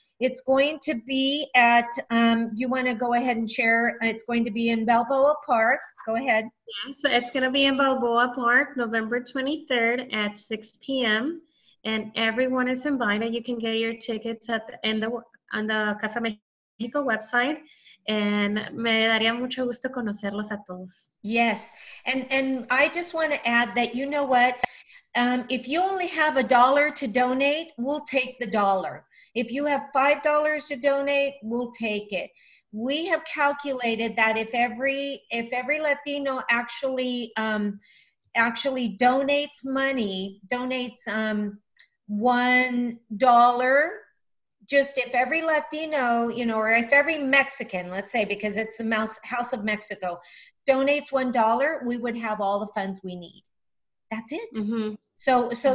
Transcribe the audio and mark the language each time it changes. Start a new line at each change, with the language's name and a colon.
English: It's going to be at, you want to go ahead and share, it's going to be in Balboa Park. Go ahead. Yes, so it's going to be in Balboa Park, November 23rd at 6 p.m. And everyone is invited. You can get your tickets at on the Casa Mexico website.
Spanish: And me daría mucho gusto conocerlos a todos.
English: Yes. And I just want to add that, you know what? If you only have a dollar to donate, we'll take the dollar. If you have $5 to donate, we'll take it. We have calculated that if every Latino actually donates money, donates $1, just if every Latino, you know, or if every Mexican, let's say, because it's the House of Mexico, donates $1, we would have all the funds we need. That's it. Mm-hmm. So yeah.